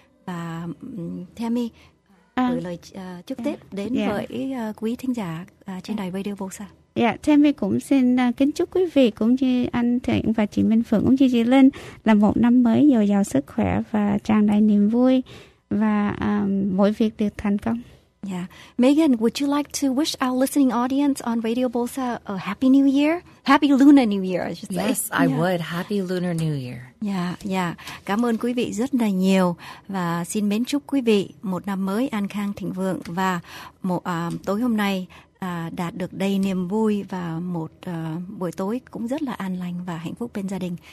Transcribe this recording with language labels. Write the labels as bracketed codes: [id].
[vi] Và Tammy gửi lời chúc Tết đến với quý thính giả trên đài Radio Bosa. Dạ, Tammy cũng xin kính chúc quý vị cũng như anh Thịnh và chị Minh Phượng cũng như chị Linh là một năm mới dồi dào sức khỏe và tràn đầy niềm vui và mỗi việc được thành công. [en] Dạ, Megan, would you like to wish our listening audience on Radio Bosa a Happy New Year? Happy Lunar New Year, I should say. Yes, I would. Happy Lunar New Year. [vi] Cảm ơn quý vị rất là nhiều và xin mến chúc quý vị một năm mới an khang thịnh vượng và tối hôm nay đạt được đầy niềm vui và một buổi tối cũng rất là an lành và hạnh phúc bên gia đình.